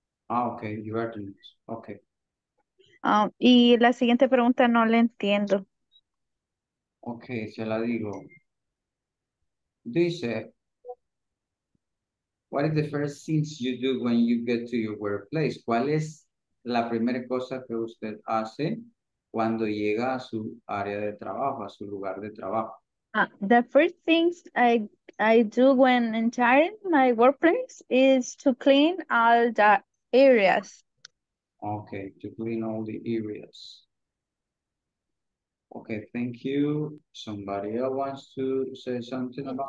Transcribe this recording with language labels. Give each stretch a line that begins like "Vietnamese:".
English: Ah, okay, you are the next. Okay.
Spanish: Y la siguiente pregunta no la entiendo. Ok, se la digo. Dice,
English: what is the first things you do when you get to your workplace?
Spanish: ¿Cuál es la primera cosa que usted hace cuando llega a su área de trabajo, a su lugar de trabajo?
English: The first things I do when entering my workplace is to clean all the areas. Okay, to clean all the areas. Okay, thank you. Somebody else wants to say something about